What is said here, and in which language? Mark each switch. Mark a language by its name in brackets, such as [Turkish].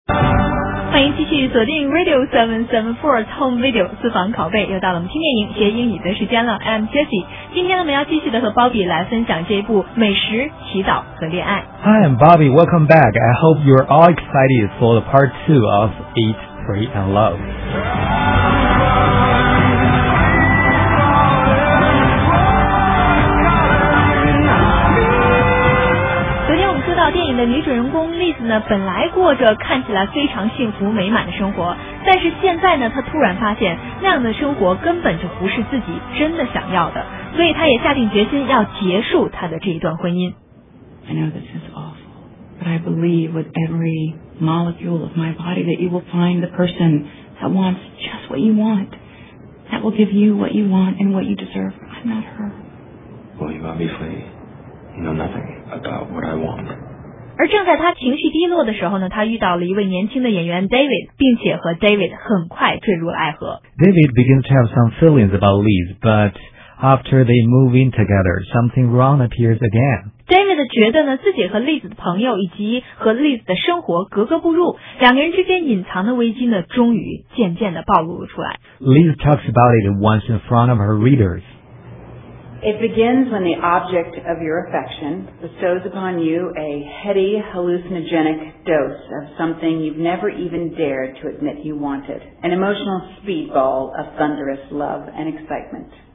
[Chinese] 欢迎继续锁定 Radio 774 Home Video 私房拷贝，又到了我们听电影学英语的时间了。 [English] I'm Jessie， [Chinese] 今天呢我们要继续的和 Bobby 来分享这一部美食、祈祷和恋爱。 [English] Hi, I'm Bobby. Welcome back. I hope you're all excited for the part 2 of Eat, Pray and Love. [Chinese] 电影的女主人公 Liz 呢，本来过着看起来非常幸福美满的生活，但是现在呢，她突然发现那样的生活根本就不是自己真的想要的，所以她也下定决心要结束她的这一段婚姻。 [English] I know this is awful, but I believe with every molecule of my body that you will find the person that wants just what you want, that will give you what you want and what you deserve. I'm not her. Well, you obviously know nothing about what I want. [Chinese] 而正在他情绪低落的时候呢，他遇到了一位年轻的演员 David， 并且和 David 很快坠入了爱河。 [English] David begins to have some feelings about Liz, but after they move in together, something wrong appears again. [Chinese] David 觉得呢，自己和 Liz 的朋友以及和 Liz 的生活格格不入，两个人之间隐藏的危机呢，终于渐渐地暴露了出来。 [English] Liz talks about it once in front of her readers. It begins when the object of your affection bestows upon you a heady, hallucinogenic dose of something you've never even dared to admit you wanted, an emotional speedball of thunderous love and excitement.